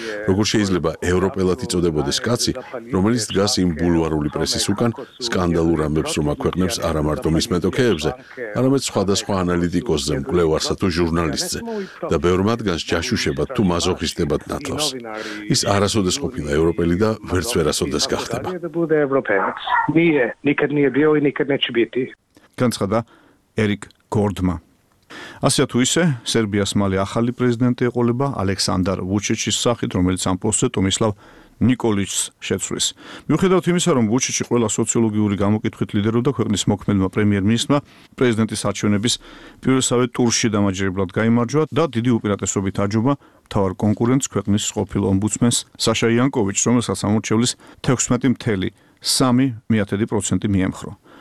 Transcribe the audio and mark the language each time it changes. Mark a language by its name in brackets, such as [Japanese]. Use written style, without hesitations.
[Georgian] როგორ შეიძლება ევროპელად იწოდებოდეს კაცი, რომელიც დგას იმ ბულვარული პრესის უკან სკანდალურ ამბებს, რომ აქვეყნებს არა მარტო მის მეტოქეებზე, არამედ სხვადასხვა ანალიტიკოსზე, მკვლევარსა თუ ჟურნალისტზე და ბევრ მათგანს ჯაშუშებად თუ მაზოხისტებად ნათლავს. ის არასოდეს ყოფილა ევროპელი და ვერც ვერასოდეს გახდება. [Russian] Будет европеец. Не, никогда не был и никогда не будет. [Georgian] განცხადა ერიკ გორდმა. ასე თუ ისე, სერბიას მალე ახალი პრეზიდენტი ეყოლება ალექსანდრ ვუჩიჩის სახით, რომელიც ამ პოსტზე ტომისლავ ნიკოლიჩს შეცვლის. მიუხედავად იმისა, რომ ვუჩიჩი ყველა სოციოლოგიური გამოკითხვით ლიდერობდა ქვეყნის მოქმედმა პრემიერ-მინისტრმა, პრეზიდენტის არჩევნების პირველსავე ტურში დამაჯერებლად გაიმარჯვა და დიდი უპირატესობით აჯობა მთავარ კონკურენტს, ქვეყნის ყოფილ ომბუდსმენს საშა იანკოვიჩს, რომელსაც ამორჩევლის 16.3% მიემხრო.